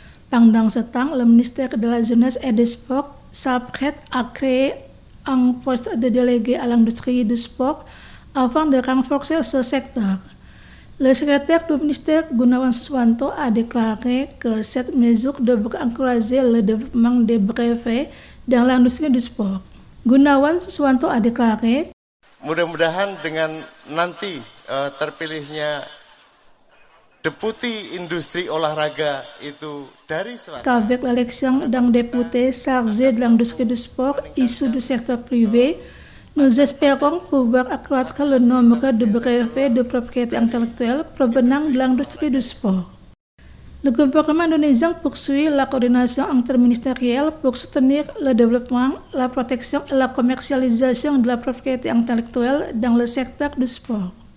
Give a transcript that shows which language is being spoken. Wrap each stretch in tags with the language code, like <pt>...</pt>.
<fr>Pendant ce temps, le ministère de la Jeunesse et des Sports s'apprête à créer un poste de délégué à l'industrie du sport afin de renforcer ce secteur. Le secrétaire du ministère, Gunawan Suswanto, a déclaré que cette mesure devrait encourager le développement des brevets dans l'industrie du sport. Gunawan Suswanto a déclaré:</fr> <id>mudah-mudahan dengan nanti terpilihnya deputi industri olahraga itu dari swasta.</id> <fr>Kavek l'élection d'un député chargé de l'industrie du sport issu du secteur privé, nous espérons pouvoir accroître le nombre de brevets de propriété intellectuelle provenant de l'industrie du sport. Le gouvernement indonésien poursuit la coordination interministérielle pour soutenir le développement, la protection et la commercialisation de la propriété intellectuelle dans le secteur du sport.</fr>